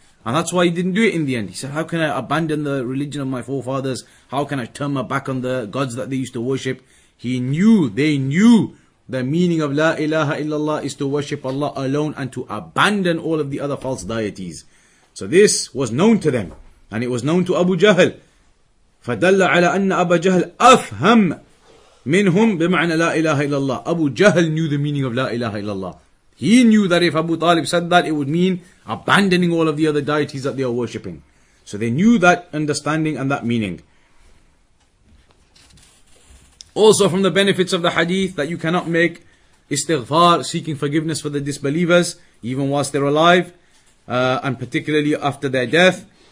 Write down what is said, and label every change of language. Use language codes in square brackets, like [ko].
[en] And that's why he didn't do it in the end. He said, how can I abandon the religion of my forefathers? How can I turn my back on the gods that they used to worship? He knew, they knew, the meaning of La ilaha illallah is to worship Allah alone and to abandon all of the other false deities. So this was known to them. And it was known to Abu Jahl. [ar] فدل على أن أبا جهل أفهم منهم بمعنى لا إله إلا الله. [en] Abu Jahl knew the meaning of لا إله إلا الله. He knew that if Abu Talib said that, it would mean abandoning all of the other deities that they are worshipping. So they knew that understanding and that meaning. Also from the benefits of the hadith that you cannot make istighfar, seeking forgiveness for the disbelievers, even whilst they're alive, and particularly after their death.